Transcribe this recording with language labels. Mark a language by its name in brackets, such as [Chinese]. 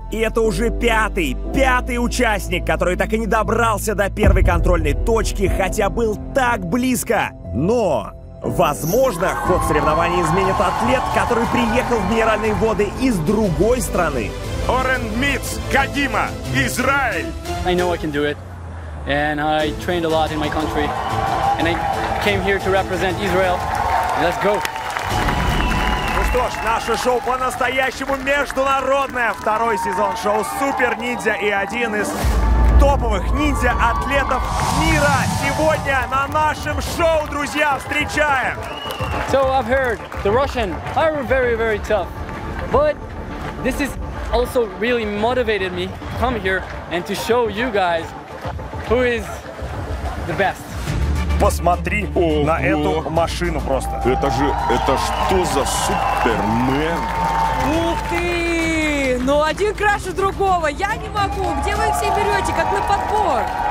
[Russian] И это уже пятый участник, который так и не добрался до первой контрольной точки, хотя был так близко. Но, возможно, ход соревнований изменит атлет, который приехал в Минеральные воды из другой страны. Орен Митц, Кадима, Израиль. [English] I know I can do it. And I trained a lot in my country. And I came here to represent Israel. Let's go. [Russian] Что ж, наше шоу по-настоящему международное. Второй сезон шоу «Супер Ниндзя» и один из топовых ниндзя-атлетов мира сегодня на нашем шоу, друзья, встречаем. [English] So I've heard the Russian are very, very tough, but this is also really motivated me to come here and to show you guys who is the best. [Russian] Посмотри на эту машину просто. Это что за супермен? Ух ты! Ну, один краше другого. Я не могу. Где вы их все берете? Как на подбор?